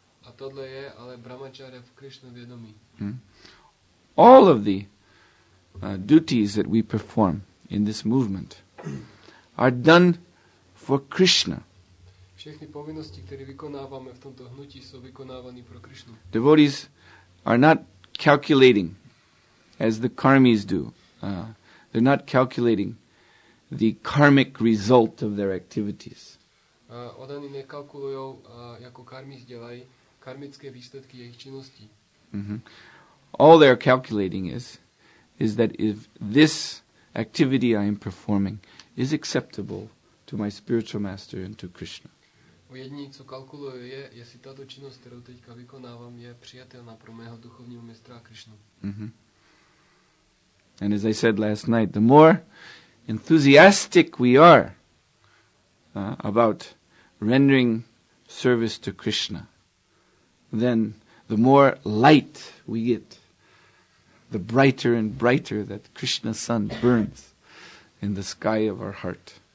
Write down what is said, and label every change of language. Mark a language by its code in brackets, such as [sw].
[cs] A tohle je ale Brahmacharya v Krishna vědomí. Hmm. [en] All of the duties that we perform in this movement are done for Krishna. [cs] Všechny povinnosti, které vykonáváme v tomto hnutí, jsou vykonávány pro Krishnu. [en] Devotees are not calculating, as the karmis do. They're not calculating the karmic result of their activities. [cs] Odaní nekalkulují, jako karmis dělají, karmické výsledky jejich činností. Mm-hmm. [en] All they're calculating is that if this activity I am performing is acceptable to my spiritual master and to Krishna. [cs] Jediné, co kalkuluje, je, jestli tato činnost, kterou teďka vykonávám, je přijatelná pro mého duchovního mistra Krishnu. Mm-hmm. [en] And as I said last night, the more enthusiastic we are about rendering service to Krishna, then the more light we get, the brighter and brighter that Krishna's sun burns in the sky of our heart.